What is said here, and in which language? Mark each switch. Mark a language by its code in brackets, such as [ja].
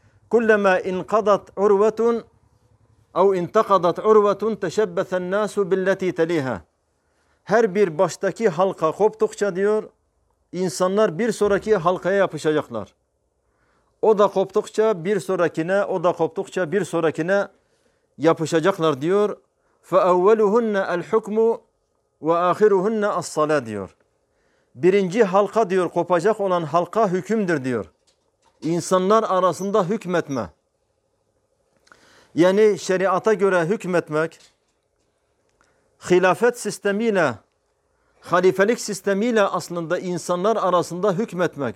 [ar] كُلَّمَا اِنْقَضَتْ عُرْوَةٌ اَوْ اِنْتَقَضَتْ عُرْوَةٌ تَشَبَّثَ النَّاسُ بِالَّتِي تَلِيهَا. [tr] Her bir baştaki halka koptukça diyor, İnsanlar bir sonraki halkaya yapışacaklar. O da koptukça bir sonrakine, o da koptukça bir sonrakine yapışacaklar diyor. [ar] فَاَوَّلُهُنَّ الْحُكْمُ وَاَخِرُهُنَّ الصَّلَاةِ diyor. [tr] Birinci halka diyor, kopacak olan halka hükümdür diyor. İnsanlar arasında hükmetme. Yani şeriata göre hükmetmek, hilafet sistemiyle, halifelik sistemiyle aslında insanlar arasında hükmetmek.